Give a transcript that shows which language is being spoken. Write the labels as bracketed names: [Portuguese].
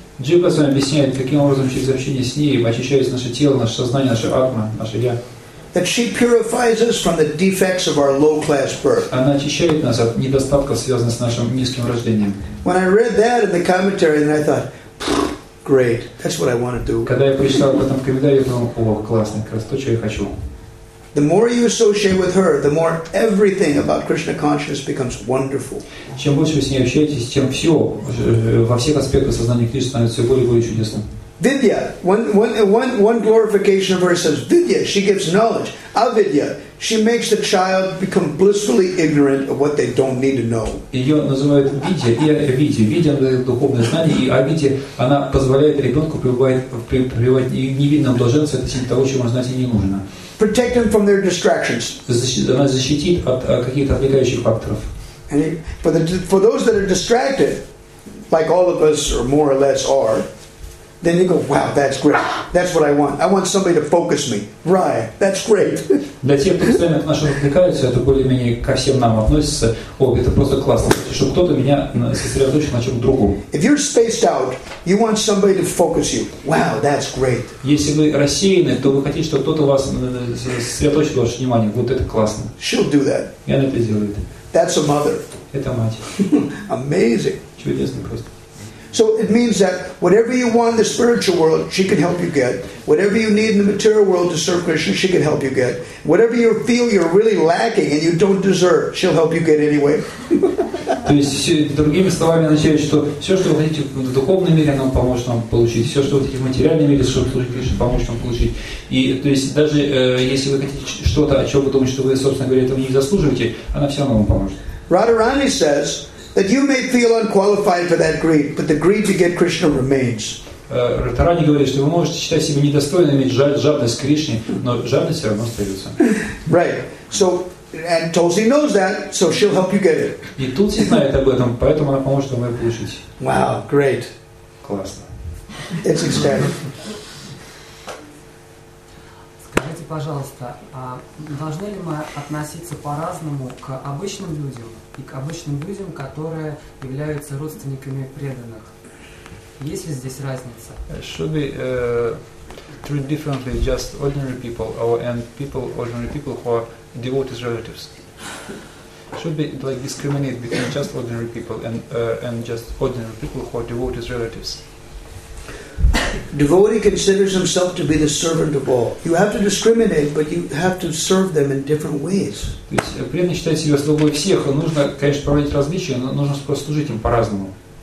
[Russian] Джива с вами объясняет, каким образом через общение с ней очищается наше тело, наше сознание, наше атма, наше я. [English] That she purifies us from the defects of our low-class birth. [Russian] Она очищает нас от недостатков, связанных с нашим низким рождением. [English] When I read that in the commentary, then I thought, great, that's what I want to do. [Russian] Когда я прочитал об этом в комментарии, я подумал, о, классно, как раз то, что я хочу. [English] The more you associate with her, the more everything about Krishna consciousness becomes wonderful. [Russian] Чем больше вы с ней общаетесь, тем все во всех аспектах сознания Кришны становится все более и более чудесным. [English] Vidya, one glorification of her says, Vidya, she gives knowledge. Avidya, she makes the child become blissfully ignorant of what they don't need to know. [Russian] Ее называют Vidya и Avidya. Vidya – это духовное знание, и Avidya – она позволяет ребенку пребывать в невинном блаженстве относительно того, чего знать и не нужно. [English] Protect them from their distractions. [Russian] Она защитит от каких-то отвлекающих факторов. [English] For those that are distracted, like all of us or more or less are, then you go, wow, that's great. That's what I want. I want somebody to focus me. Right. That's great. [Russian] Для тех, кто постоянно к нашим отвлекаются, это более-менее ко всем нам относится. О, это просто классно. Чтобы кто-то меня сосредоточил на чем-то другом. [English] If you're spaced out, you want somebody to focus you. Wow, that's great. [Russian] Если вы рассеяны, то вы хотите, чтобы кто-то вас сосредоточил ваше внимание. Вот это классно. [English] She'll do that. [Russian] И она это сделает. [English] That's a mother. [Russian] Это мать. [English] Amazing. [Russian] Чудесно просто. [English] So it means that whatever you want in the spiritual world, she can help you get. Whatever you need in the material world to serve Krishna, she can help you get. Whatever you feel you're really lacking and you don't deserve, she'll help you get anyway. [Russian] То есть другими словами означает, что все, что вы хотите в духовном мире, она поможет вам получить. Все, что вы хотите в материальном мире, чтобы служить Кришне, поможет вам получить. И то есть даже если вы хотите что-то, о чем вы думаете, что вы, собственно говоря, этого не заслуживаете, она все равно вам поможет. [English] Radharani says that you may feel unqualified for that greed, but the greed to get Krishna remains. [Russian] Ратарани говорит, что вы можете считать себя недостойным иметь жадность к Кришне, но жадность все равно остается. [English] Right. So, and Tulsi knows that, so she'll help you get it. [Russian] И Тулси знает об этом, поэтому она поможет вам ее получить. [English] Wow, great. [Russian] Классно. [English] It's ecstatic. [Russian] Скажите, пожалуйста, должны ли мы относиться по-разному к обычным людям и к обычным людям, которые являются родственниками преданных? Есть ли здесь разница? [English] Should we treat differently just ordinary people ordinary people who are devotees' relatives? Should we like discriminate between just ordinary people and just ordinary people who are devotees' relatives? Devotee considers himself to be the servant of all. You have to discriminate, but you have to serve them in different ways. [Russian] То есть преданный считает себя слугой всех, и нужно, конечно, проводить различия, но нужно просто служить им по-разному.